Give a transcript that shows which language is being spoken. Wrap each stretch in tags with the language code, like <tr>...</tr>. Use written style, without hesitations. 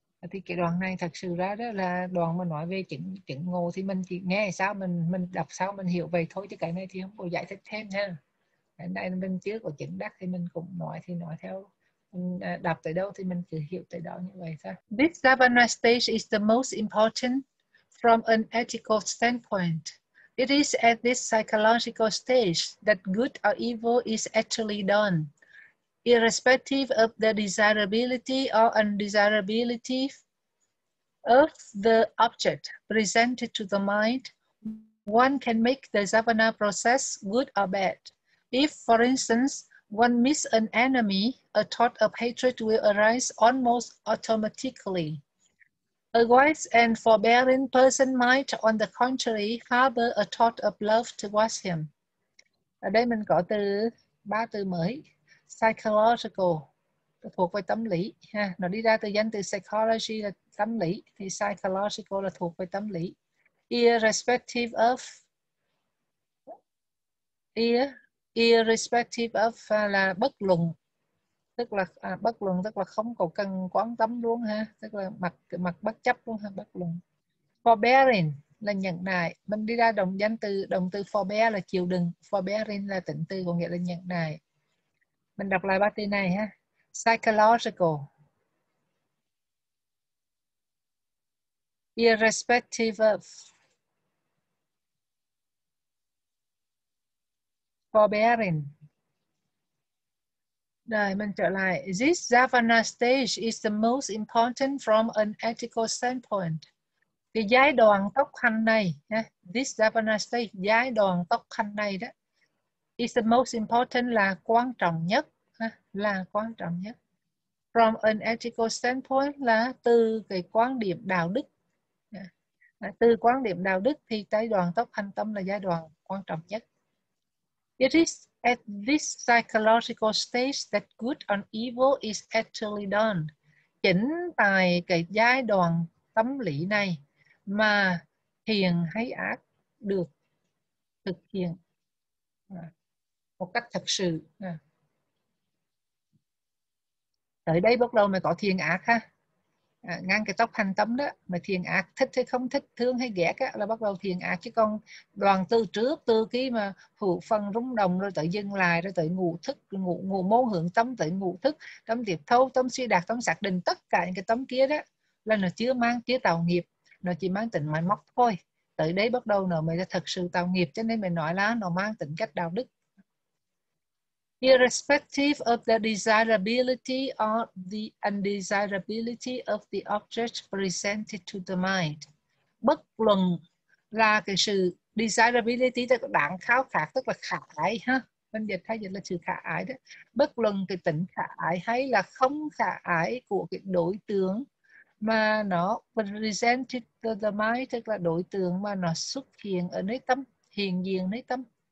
<vi>Thì cái đoạn này thật sự ra đó là đoạn mà nói về chứng ngộ, thì mình chỉ nghe sao mình đọc sao mình hiểu vậy thôi, chứ cái này thì không có giải thích thêm ha. Hiện nay mình chưa có chứng đắc thì mình cũng nói thì nói theo đọc tới đâu thì mình cứ hiểu tới đó như vậy thôi.</vi> <en>This Savana stage is the most important from an ethical standpoint. It is at this psychological stage that good or evil is actually done, irrespective of the desirability or undesirability of the object presented to the mind. One can make the Javana process good or bad. If, for instance, one meets an enemy, a thought of hatred will arise almost automatically. A wise and forbearing person might, on the contrary, harbor a thought of love towards him.</en> <vi>Ở đây mình có từ ba từ mới. Psychological, thuộc về tâm lý. Nó đi ra từ danh từ psychology là tâm lý. Thì psychological là thuộc về tâm lý. irrespective of, irrespective of là bất luận, tức là bất luận, tức là không có cần quan tâm luôn ha, tức là mặc bất chấp luôn ha, bất luận. Forbearing là nhẫn nại, mình đi ra động danh từ, động từ forbear là chịu đựng, forbearing là tính từ có nghĩa là nhẫn nại. Mình đọc lại ba từ này ha. Psychological, irrespective of, forbearing. Rồi mình trở lại.</vi> <en>This Javana stage is the most important from an ethical standpoint.</en> <vi>Cái giai đoạn tốc hành này, yeah,</vi> <en>this Javana stage,</en> <vi>giai đoạn tốc hành này đó,</vi> <en>is the most important,</en> <vi>là quan trọng nhất, là quan trọng nhất.</vi> <en>From an ethical standpoint</en> <vi>là từ cái quan điểm đạo đức. Từ quan điểm đạo đức thì giai đoạn tốc hành tâm là giai đoạn quan trọng nhất.</vi> <en>It is at this psychological stage that good and evil is actually done.</en> <vi>Chính tại cái giai đoạn tâm lý này mà thiện hay ác được thực hiện một cách thật sự. Tới đây bắt đầu mà có thiện ác ha. Ngang cái tốc hành tâm đó, mà thiền ác thích hay không thích, thương hay ghét á, là bắt đầu thiền ác. Chứ còn đoàn tư trước, tư khi mà hữu phân rung động rồi tự dừng lại, rồi tự ngủ thức, ngủ ngủ mô hưởng tâm, tự ngủ thức, tâm tiệp thâu, tâm suy đạt, tâm xác định, tất cả những cái tâm kia đó là nó chưa mang, chưa tạo nghiệp, nó chỉ mang tính máy móc thôi. Tới đấy bắt đầu nó mới là thật sự tạo nghiệp, cho nên mình nói là nó mang tính cách đạo đức.</vi> <en>Irrespective of the desirability or the undesirability of the object presented to the mind.</en> <vi>Bất luận là cái sự desirability, tức là đáng khao khát, tức là khả ái ha. Bên dịch hay dịch là sự khả ái đó. Bất luận cái tính khả ái hay là không khả ái của cái đối tượng mà nó</vi> <en>presented to the mind,</en> <vi>tức là đối tượng mà nó xuất hiện ở nơi tâm, hiện diện nơi tâm.</vi>